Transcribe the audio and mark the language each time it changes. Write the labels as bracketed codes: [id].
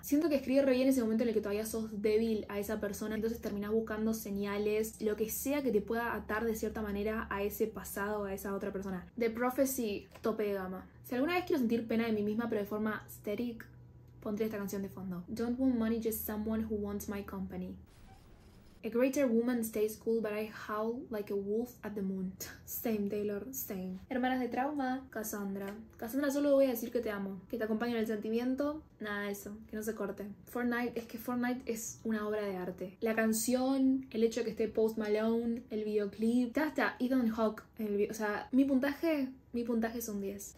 [es] Siento que escribe re bien ese momento en el que todavía sos débil a esa persona, entonces terminás buscando señales, lo que sea que te pueda atar de cierta manera a ese pasado, a esa otra persona. The Prophecy, tope de gama. Si alguna vez quiero sentir pena de mí misma, pero de forma static, pondré esta canción de fondo. [en] Don't want money, just someone who wants my company. A greater woman stays cool, but I howl like a wolf at the moon. Same, Taylor, same. [es] Hermanas de trauma, Cassandra. Cassandra, solo voy a decir que te amo. Que te acompaño en el sentimiento. Nada, eso, que no se corte. Fortnite, es que Fortnite es una obra de arte. La canción, el hecho de que esté Post Malone, el videoclip. Ya está, Ethan Hawke en el video. O sea, mi puntaje es un 10.